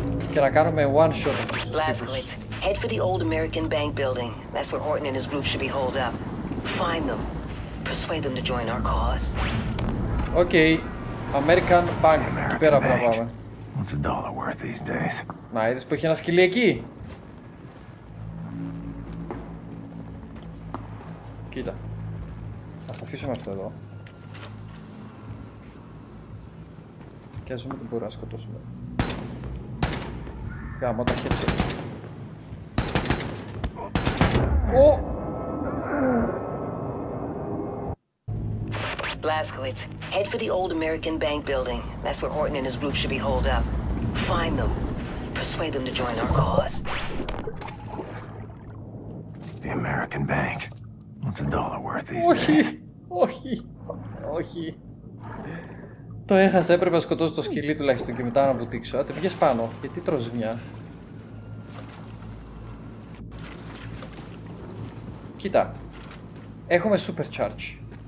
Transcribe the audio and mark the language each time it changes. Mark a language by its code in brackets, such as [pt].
[el] Και να κάνουμε one shot αυτούς τους τύπους. [en] Last click. Head for the old American bank building. That's where Horton and his group should be holed up. Find them. Persuade them to join our cause. Okay. American bank. [el] Εκεί πέρα πρέπει να πάμε. [en] What's a dollar worth these days? [el] Να είδες που έχει ένα σκυλί εκεί. Κοίτα. Ας αφήσουμε αυτό εδώ. Και ας δούμε τι μπορούμε να σκοτώσουμε. Γάμω τα χέρια σου. Ο! [en] Blazkowicz, head for the old American bank building. That's where Horton and his group should be holed up. Find them. Persuade them to join our cause. The American bank. What's a dollar worth these days? [el] Όχι! Όχι! Το έχασα, έπρεπε να σκοτώσω το σκυλί τουλάχιστον και μετά να βουτήξω. Άντε, βγες πάνω. Γιατί τρως ζημιά. Κοίτα, έχουμε supercharge.